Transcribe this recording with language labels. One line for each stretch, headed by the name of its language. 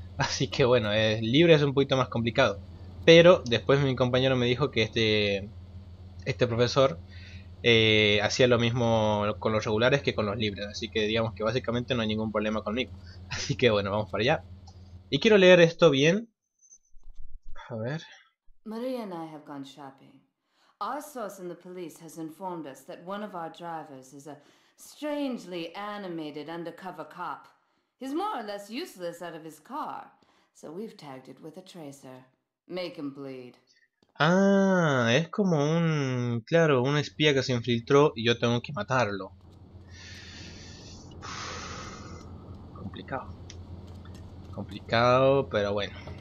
Spanish: Así que bueno, libre es un poquito más complicado. Pero después mi compañero me dijo que este profesor hacía lo mismo con los regulares que con los libres. Así que digamos que básicamente no hay ningún problema conmigo. Así que bueno, vamos para allá. Y quiero leer esto bien. A ver.
English: Maria and I have gone shopping. Our source in the police has informed us that one of our drivers is a strangely animated undercover cop. He's more or less useless out of his car, so we've tagged it with a tracer. Make him bleed.
Spanish: Ah, es como un, claro, un espía que se infiltró y yo tengo que matarlo. Complicado. Complicado, pero bueno.